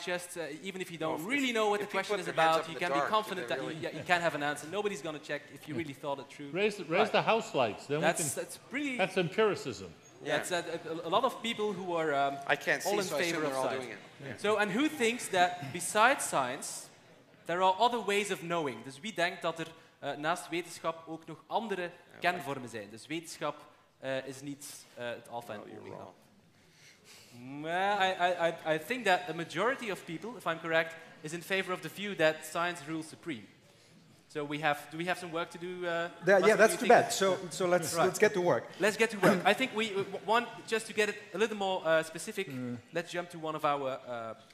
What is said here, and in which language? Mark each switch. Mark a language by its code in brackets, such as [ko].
[en] Just even if you don't really know what the question is about, you can be confident that you can have an answer. Nobody's going to check if you really thought it true. Raise the house lights. Then that's empiricism. Yeah, it's a lot of people who are all in favor of science. Doing it. Yeah. So, and who thinks that besides science, there are other ways of knowing? [nl] Dus wie denkt dat er naast wetenschap ook nog andere kenvormen zijn? Dus wetenschap is niet het alpha en omega. [en] I think that a majority of people, if I'm correct, is in favor of the view that science rules supreme. So do we have some work to do? That's too bad. So let's get to work. Let's get to work. I think just to get it a little more specific, let's jump to one of our topics.